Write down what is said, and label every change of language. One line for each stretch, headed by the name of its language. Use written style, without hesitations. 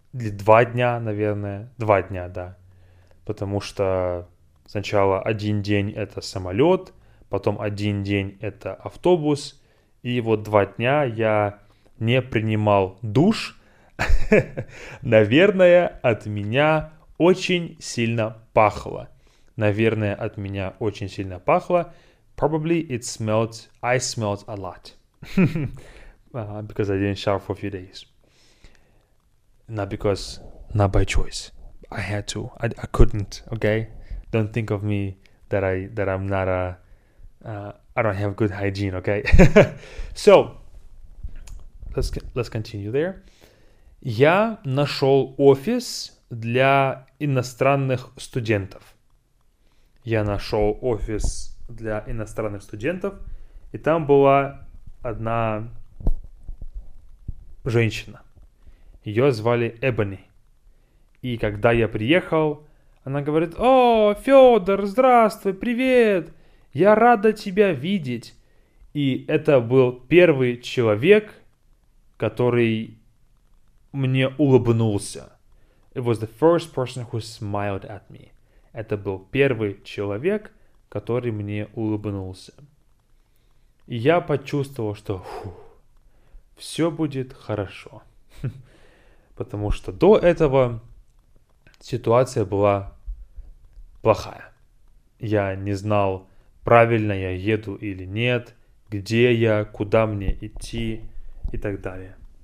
Russian: Или 2 дня, наверное. 2 дня, да. Потому что сначала один день — это самолет, потом один день — это автобус. И вот 2 дня я не принимал душ. Наверное, от меня очень сильно пахло. Наверное, от меня очень сильно пахло.
English: Probably it smelled, I smelled a lot. because I didn't shower for a few days. Not because, not by choice. I had to, I couldn't, okay? Don't think of me I don't have good hygiene, okay? So, let's continue there.
Russian: Я нашел офис для иностранных студентов. Я нашел офис для иностранных студентов, и там была одна женщина. Ее звали Эбони. И когда я приехал, она говорит: «О, Федор, здравствуй, привет! Я рада тебя видеть!» И это был первый человек, который мне улыбнулся.
English: It was the first person who smiled at me.
Russian: Это был первый человек, который мне улыбнулся. И я почувствовал, что все будет хорошо. Потому что до этого ситуация была плохая. Я не знал, правильно я еду или нет, где я, куда мне идти и так далее.